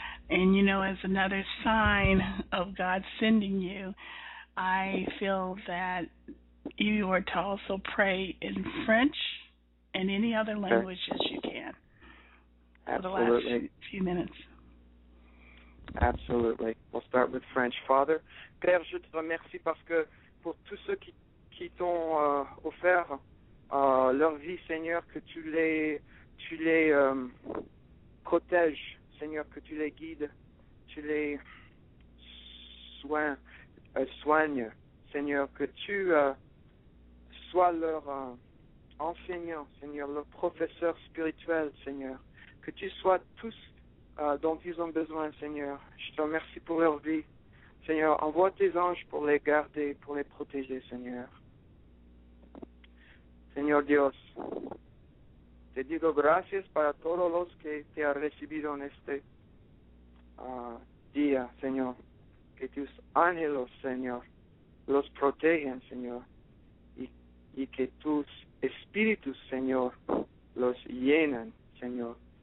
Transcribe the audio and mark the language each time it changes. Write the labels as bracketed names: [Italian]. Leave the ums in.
[English] And you know, as another sign of God sending you, I feel that you are to also pray in French and any other languages you can for the last Absolutely. few- few minutes. Absolutely. We'll start with French. [French] Father, Père, je te remercie parce que pour tous ceux qui, qui t'ont euh, offert euh, leur vie, Seigneur, que tu les, tu les euh, protèges, Seigneur, que tu les guides, tu les soins, euh, soignes, Seigneur, que tu euh, sois leur euh, enseignant, Seigneur, leur professeur spirituel, Seigneur, que tu sois tous euh, dont ils ont besoin, Seigneur. Je te remercie pour leur vie. Seigneur, envoie tes anges pour les garder, pour les protéger, Seigneur. [Spanish] Señor Dios, te digo gracias para todos los que te han recibido en este ah, día, Señor. Que tus ángeles, Señor, los protegen, Señor. Y, y que tus espíritus, Señor, los llenan, Señor.